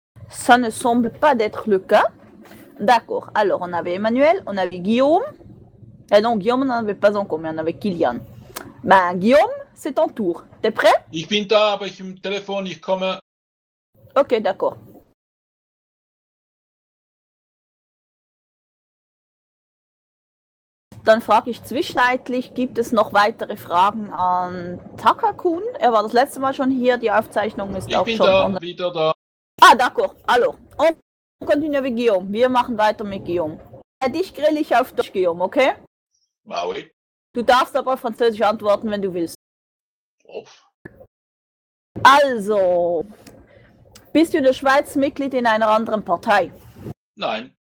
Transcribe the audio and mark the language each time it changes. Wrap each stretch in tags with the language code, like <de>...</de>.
<fr>Ça ne semble pas être le cas. D'accord. Alors, on avait Emmanuel, on avait Guillaume. Et non, Guillaume, on n'en avait pas encore, mais on avait Kylian. Ben, Guillaume, c'est ton tour. T'es prêt?</fr> <de>Ich bin da, aber ich im Telefon, ich komme.</de> <fr>Ok, d'accord.</fr> <de>Dann frage ich zwischenzeitlich, gibt es noch weitere Fragen an Takakun? Er war das letzte Mal schon hier, die Aufzeichnung ist ich auch schon... Ich bin da, wieder da.</de> <fr>Ah, d'accord. Alors, on continue avec Guillaume.</fr> <de>Wir machen weiter mit Guillaume. Dich grill ich auf Deutsch, Guillaume, okay?</de> <fr>Ah oui.</fr> <de>Du darfst aber Französisch antworten, wenn du willst. Oh. Also, Bist du in der Schweiz Mitglied in einer anderen Partei? Nein.</de>